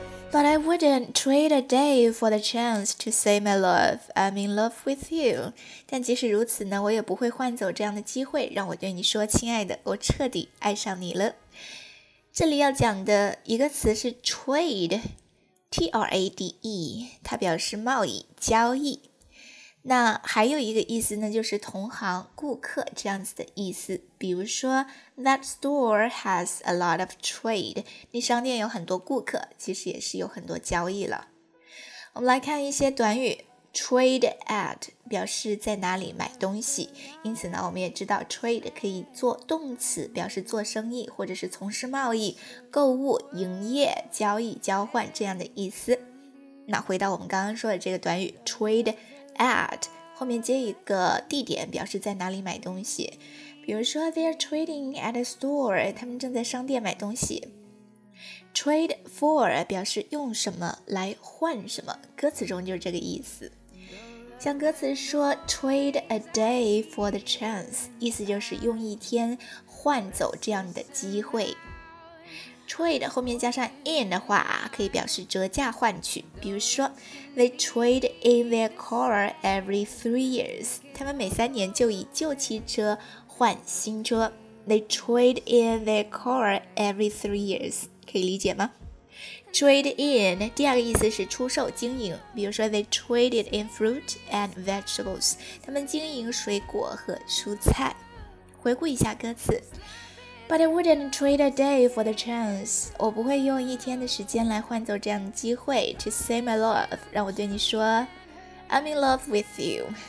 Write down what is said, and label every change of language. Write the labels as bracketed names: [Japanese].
[English] But I wouldn't trade a day for the chance to say my love, I'm in love with you. [Chinese] 但即使如此呢，我也不会换走这样的机会，让我对你说，亲爱的，我彻底爱上你了。这里要讲的一个词是 trade, T-R-A-D-E, 它表示贸易、交易。那还有一个意思呢，就是同行、顾客这样子的意思。 [English] 比如说 ，That store has a lot of trade。 [Chinese] 那商店有很多顾客，其实也是有很多交易了。我们来看一些短语 ，trade at 表示在哪里买东西。因此呢，我们也知道 trade 可以做动词，表示做生意或者是从事贸易、购物、营业、交易、交换这样的意思。那回到我们刚刚说的这个短语 trade。At 后面接一个地点，表示在哪里买东西。比如说 ， [English] They're trading at a store， [Chinese] 他们正在商店买东西。 Trade for 表示用什么来换什么，歌词中就是这个意思。像歌词说 ， [English] Trade a day for the chance， [Chinese] 意思就是用一天换走这样的机会。 Trade 后面加上 in 的话，可以表示折价换取。比如说 ， [English] They trade in their car every 3 years， [Chinese] 他们每三年就以旧汽车换新车。 [English] They trade in their car every 3 years， [Chinese] 可以理解吗 ？Trade in 第二个意思是出售、经营。比如说 ， [English] They traded in fruit and vegetables， [Chinese] 他们经营水果和蔬菜。回顾一下歌词。 [English] But I wouldn't trade a day for the chance. [Chinese] 我不会用一天的时间来换走这样的机会 [English] to say my love. [Chinese] 让我对你说 [English] I'm in love with you.